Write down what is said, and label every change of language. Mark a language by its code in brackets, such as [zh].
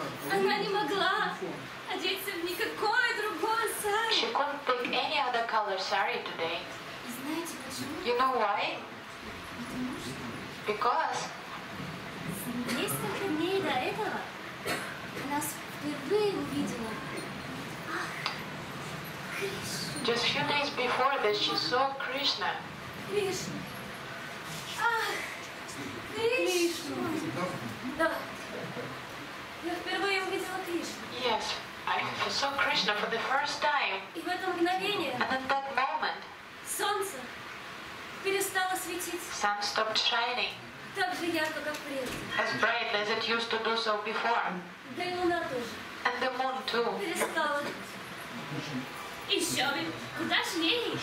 [ru] Она не могла одеться в никакое другое сари. [en] She couldn't pick any other color sari today. [ru] Знаете почему? [en] You know why? Because. [ru] Несколько дней до этого она впервые увидела. [en] Just a few days before this, she saw Krishna. Krishna. [ru] Krishna. Да. Я впервые увидела Кришну. [en] Yes, I saw Krishna for the first time. [ru] И в это мгновение. [en] And at that moment. [ru] Солнце перестало светить. [en] Sun stopped shining. [ru] Так же ярко, как прежде. [en] As brightly as it used to do so before. [ru] Да и луна тоже. [en] And the moon too. [ru] Перестала. Еще бы. Куда ж ей?